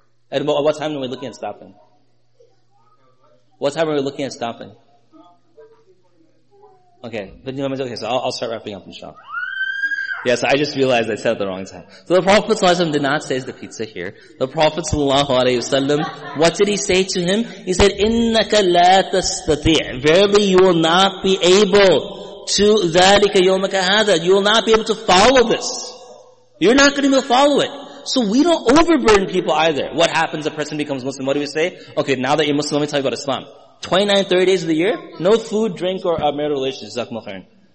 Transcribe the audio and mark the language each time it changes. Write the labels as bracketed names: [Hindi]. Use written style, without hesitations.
[English] And what time are we looking at stopping? What time are we looking at stopping? Okay, so I'll start wrapping up inshallah. Yes, I just realized I said it the wrong time. So the Prophet ﷺ did not say, is the pizza here? The Prophet ﷺ, what did he say to him? He said, [Arabic] إِنَّكَ لَا تَسْتَطِيعُ. [English] Verily you will not be able to [Arabic] ذَلِكَ يَوْمَكَ هَذَا. [English] You will not be able to follow this. You're not going to be able to follow it. So we don't overburden people either. What happens? A person becomes Muslim. What do we say? Okay, now that you're Muslim, let me tell you about Islam. 29, 30 days of the year, no food, drink, or marital relations. Jazakumullah khairan.